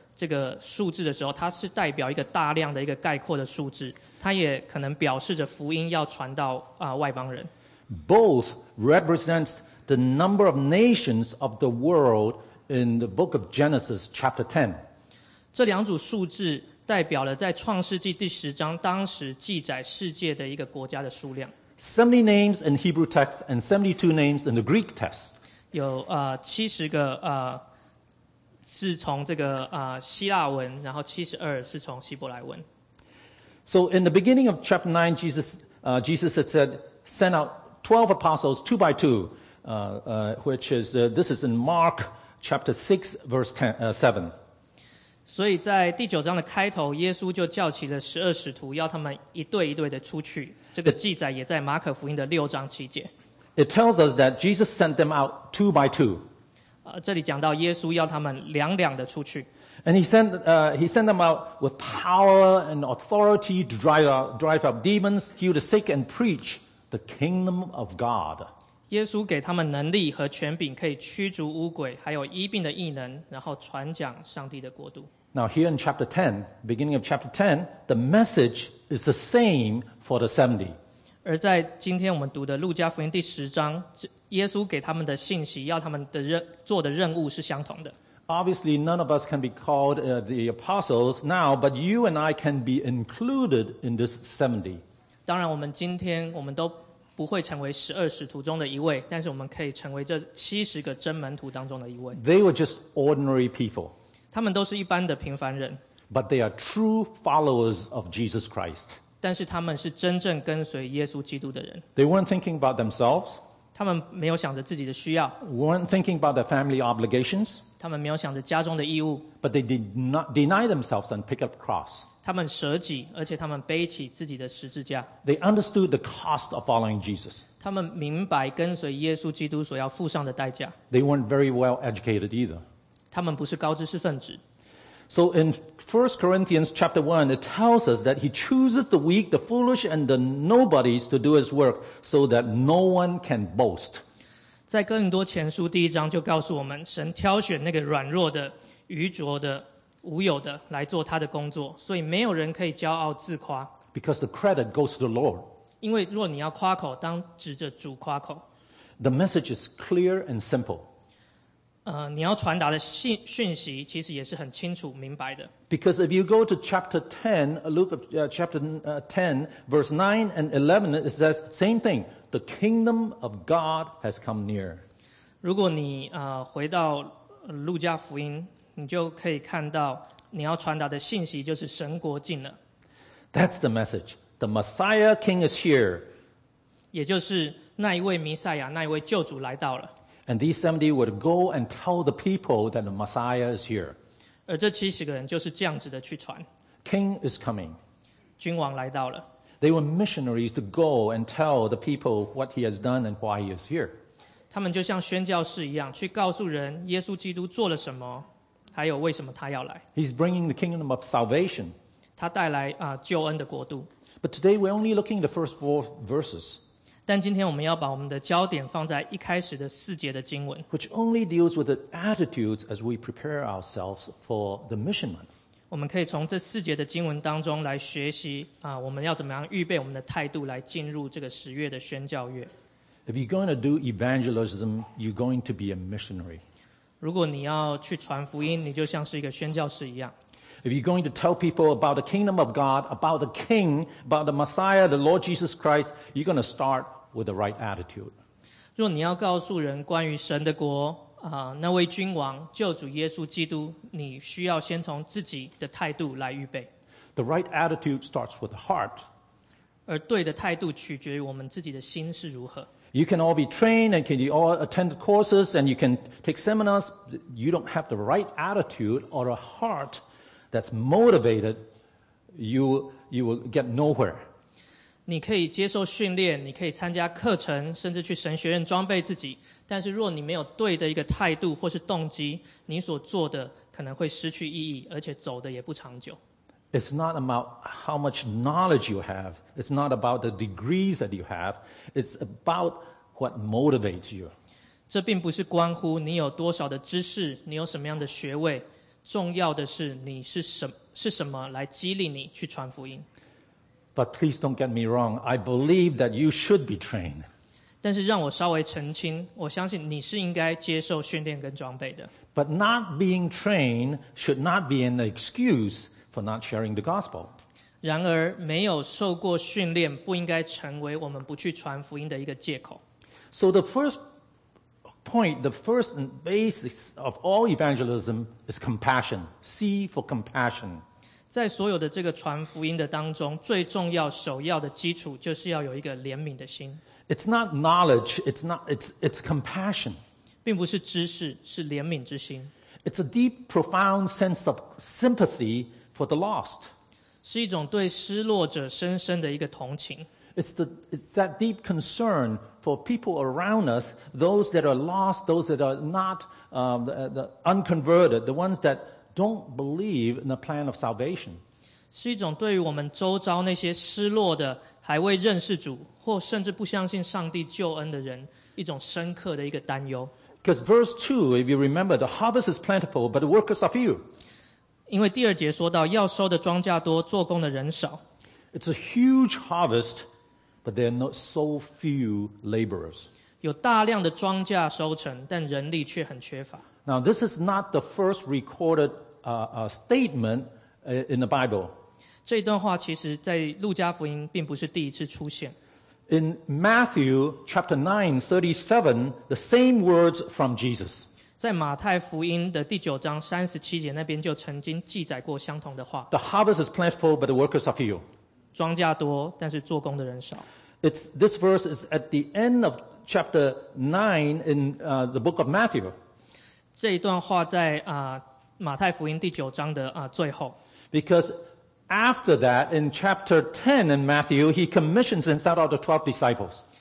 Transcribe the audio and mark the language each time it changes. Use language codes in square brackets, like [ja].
[zh] 这个数字的时候，它是代表一个大量的一个概括的数字，它也可能表示着福音要传到外邦人。 [en] Both represents the number of nations of the world in the book of Genesis chapter 10. [zh] 这两组数字代表了在创世纪第十章当时记载世界的一个国家的数量。 [en] 70 names in Hebrew text and 72 names in the Greek text. [zh] 有70个是从这个希腊文，然后72是从希伯来文。 [en] So in the beginning of chapter 9, Jesus had said, send out 12 apostles, two by two, which is, this is in Mark chapter 6, verse 7. [zh] 所以在第九章的开头，耶稣就叫起了十二使徒，要他们一对一对的出去。这个记载也在马可福音的六章七节。 [en] It tells us that Jesus sent them out two by two. [zh] 这里讲到耶稣要他们两两的出去。 [en] And he sent them out with power and authority to drive out demons, heal the sick, and preach the kingdom of God. [zh] 耶稣给他们能力和权柄，可以驱逐污鬼，还有医病的异能，然后传讲上帝的国度。 [en] Now here in chapter 10, beginning of chapter 10, the message is the same for the 70. [zh] 而在今天我们读的路加福音第十章，耶稣给他们的信息，要他们的做的任务是相同的。 [en] Obviously, none of us can be called the apostles now, but you and I can be included in this 70. [zh] 当然，我们今天我们都不会成为十二使徒中的一位，但是我们可以成为这七十个真门徒当中的一位。 [en] They were just ordinary people. [zh] 他们都是一般的平凡人。 [en] But they are true followers of Jesus Christ. [zh] 但是他们是真正跟随耶稣基督的人。 [en] They weren't thinking about themselves. [zh] 他们没有想着自己的需要。 [en] Weren't thinking about their family obligations. [zh] 他们没有想着家中的义务。 [en] But they did not deny themselves and pick up cross. [zh] 他们舍己，而且他们背起自己的十字架。 [en] They understood the cost of following Jesus. [zh] 他们明白跟随耶稣基督所要付上的代价。 [en] They weren't very well educated either. [zh] 他们不是高知识分子。 [en] So in 1 Corinthians chapter 1, it tells us that he chooses the weak, the foolish, and the nobodies to do his work so that no one can boast. [zh] 在哥林多前书第一章就告诉我们，神挑选那个软弱的、愚拙的、无有的来做他的工作，所以没有人可以骄傲自夸。 [en] Because the credit goes to the Lord. [zh] 因为若你要夸口，当指着主夸口。 [en] The message is clear and simple. [zh] 你要传达的讯息其实也是很清楚明白的。 [en] Because if you go to chapter 10, Luke of chapter 10, verse 9 and 11, it says same thing. The kingdom of God has come near. [zh] 如果你回到路加福音，你就可以看到你要传达的信息就是神国近了。 [en] That's the message. The Messiah King is here. [zh] 也就是那一位弥赛亚，那一位救主来到了。 [en] And these 70 would go and tell the people that the Messiah is here. [zh] 而这七十个人就是这样子的去传。 [en] King is coming. [zh] 君王来到了。 [en] They were missionaries to go and tell the people what he has done and why he is here. [zh] 他们就像宣教士一样，去告诉人耶稣基督做了什么，还有为什么他要来。 [en] He's bringing the kingdom of salvation. [zh] 他带来救恩的国度。 [en] But today we're only looking at the first four verses. [zh] 但今天我们要把我们的焦点放在一开始的四节的经文， [en] which only deals with the attitudes as we prepare ourselves for the mission month. [zh] 我们可以从这四节的经文当中来学习我们要怎么样预备我们的态度来进入这个十月的宣教月。 [en] If you're going to do evangelism, you're going to be a missionary. [zh] 如果你要去传福音，你就像是一个宣教士一样。 [en] If you're going to tell people about the kingdom of God, about the king, about the Messiah, the Lord Jesus Christ, you're going to start with the right attitude. [zh] 若你要告诉人关于神的国那位君王救主耶稣基督，你需要先从自己的态度来预备。 [en] The right attitude starts with the heart. [zh] 而对的态度取决于我们自己的心是如何。 [en] You can all be trained and can you all attend courses and you can take seminars. You don't have the right attitude or a heartThat's motivated, you will get nowhere. [zh] 你可以接受训练，你可以参加课程，甚至去神学院装备自己。但是，若你没有对的一个态度或是动机，你所做的可能会失去意义，而且走的也不长久。 [en] It's not about how much knowledge you have. It's not about the degrees that you have. It's about what motivates you. [zh] 这并不是关乎你有多少的知识，你有什么样的学位。重要的是你是什么来激励你去传福音。 [en] But please don't get me wrong. I believe that you should be trained. [zh] 但是让我稍微澄清，我相信你是应该接受训练跟装备的。 [en] But not being trained should not be an excuse for not sharing the gospel. [zh] 然而，没有受过训练不应该成为我们不去传福音的一个借口。 [en] So the first point, the first basis of all evangelism is compassion. C for compassion. [zh] 在所有的这个传福音的当中，最重要、首要的基础就是要有一个怜悯的心。 [en] It's not knowledge. It's compassion. [zh] 并不是知识，是怜悯之心。 [en] It's a deep, profound sense of sympathy for the lost. [zh] 是一种对失落者深深的一个同情。 [en] It's that deep concern for people around us, those that are lost, those that are not the unconverted, the ones that don't believe in the plan of salvation. [zh] 是一种对于我们周遭那些失落的、还未认识主或甚至不相信上帝救恩的人一种深刻的一个担忧。 [en] Because verse 2, if you remember, the harvest is plentiful, but the workers are few. [zh] 因为第二节说到要收的庄稼多，做工的人少。 [en] It's a huge harvest, but there are not so few laborers. [zh] 有大量的庄稼收成，但人力却很缺乏。 [en] Now, this is not the first recorded statement in the Bible. [zh] 这段话其实在路加福音并不是第一次出现。 [en] In Matthew chapter 9:37, the same words from Jesus. [zh] 在马太福音的第九章三十七节那边就曾经记载过相同的话。 [en] The harvest is plentiful, but the workers are few. [zh] 庄稼多，但是做工的人少。 [en] This verse is at the end of chapter 9 in the book of Matthew. [zh] 这一段话在马太福音第九章的最后。 [en] Because after that, in chapter 10 in Matthew, he commissions and sends out the 12 disciples.